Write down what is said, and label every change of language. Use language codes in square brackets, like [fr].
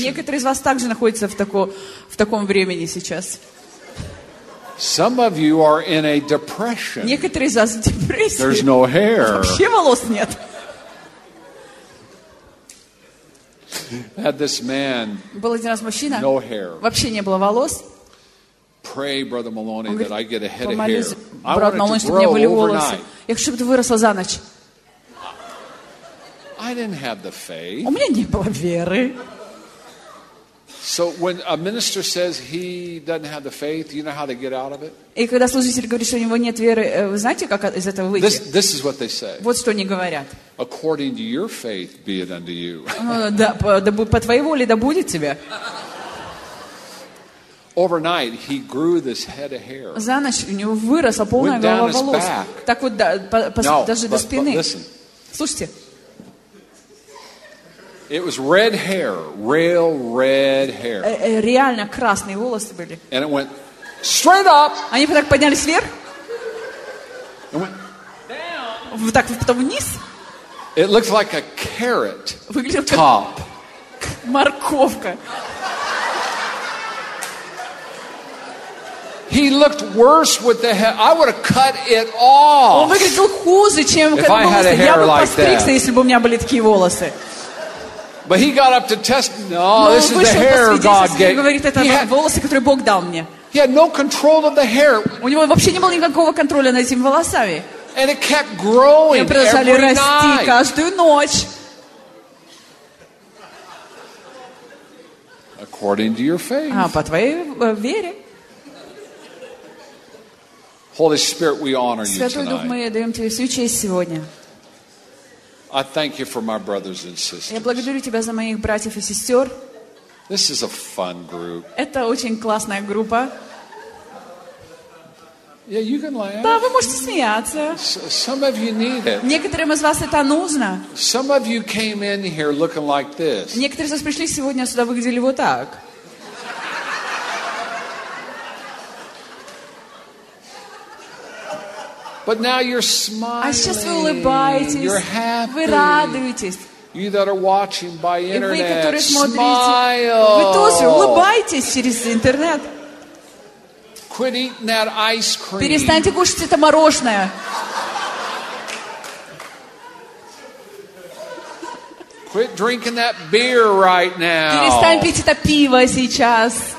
[ru] Некоторые из вас также находятся в таком времени сейчас. [en] Some of you are in a depression. [ru] Некоторые из вас в депрессии. [en] There's no hair. [ru] Вообще волос нет. [en] Had this man. [ru] Был один раз мужчина. [en] No hair. [ru] Вообще не было волос. [en] Pray, brother Maloney, [ru] говорит, [en] that I get a head of hair. I want Maloney, it to grow [ru] волосы. [en] Overnight. [ru] Я хочу, чтобы ты выросла за ночь. [en] I didn't have the faith. [ru] У меня не было веры. [en] So when a minister says he doesn't have the faith, you know how they get out of it? [ru] И когда служитель говорит, что у него нет веры, вы знаете, как из этого выйти? [en] This is what they say. [ru] Вот что они говорят. [en] According to your faith, be it unto you. [ru] по твоей воле да будет тебе. [en] Overnight, he grew this head of hair. [ru] За ночь у него выросла полная голова волос. Так вот даже до спины. Слушайте. [en] It was red hair, real red hair. [ru] Реально красные волосы были. [en] And it went straight up. [ru] Они так поднялись вверх. [en] It went down. [ru] Так потом вниз. [en] It looked like a carrot top. [ru] Морковка. [en] He looked worse with the head. I would have cut it off. [ru] Он выглядел хуже, чем когда волосы. [en] If I had a hair like that. [ru] Я бы постригся, если бы у меня были такие волосы. [en] But he got up to test. No, this is the hair God gave. [ru] Говорит, это волосы, которые Бог дал мне. [en] He had no control of the hair. [ru] У него вообще не было никакого контроля над этими волосами. [en] And it kept growing every night. [ru] И продолжали расти каждую ночь. [en] According to your faith. [ru] А по твоей вере. [en] Holy Spirit, we honor you tonight. [ru] Святой Дух, мы даем тебе всю честь сегодня. [en] I thank you for my brothers and sisters. [ru] Я благодарю тебя за моих братьев и сестер. [en] This is a fun group. [ru] Это очень классная группа. [en] Yeah, you can laugh. [ru] Да, вы можете смеяться. [en] Some of you need it. [ru] Некоторым из вас это нужно. [en] Some of you came in here looking like this. [ru] Некоторые из вас пришли сегодня сюда выглядели вот так. [en] But now you're smiling. [ru] А сейчас вы улыбаетесь. [en] You're happy. [ru] Вы радуетесь. [en] You that are watching by internet, [ru] и вы, которые смотрите, [en] smile. [ru] Вы тоже улыбаетесь через интернет. [en] Quit eating that ice cream. [ru] Перестаньте кушать это мороженое. [en] Quit drinking that beer right now. [ru] Перестань пить это пиво сейчас.